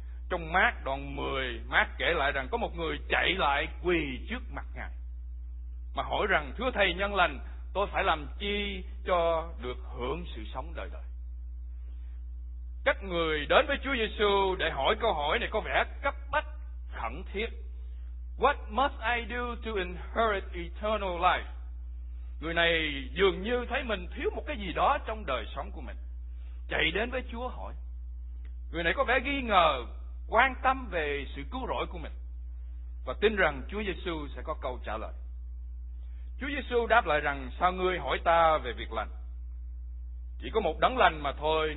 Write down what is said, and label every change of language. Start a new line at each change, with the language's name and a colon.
Vietnamese: Trong Mác đoạn 10, Mác kể lại rằng có một người chạy lại quỳ trước mặt Ngài mà hỏi rằng: Thưa Thầy nhân lành, tôi phải làm chi cho được hưởng sự sống đời đời? Các người đến với Chúa Giêsu để hỏi câu hỏi này có vẻ cấp bách, khẩn thiết.
English: What must I do to inherit eternal life?
Vietnamese: Người này dường như thấy mình thiếu một cái gì đó trong đời sống của mình, chạy đến với Chúa hỏi. Người này có vẻ nghi ngờ, quan tâm về sự cứu rỗi của mình và tin rằng Chúa Giêsu sẽ có câu trả lời. Chúa Giêsu đáp lại rằng: Sao ngươi hỏi ta về việc lành? Chỉ có một đấng lành mà thôi.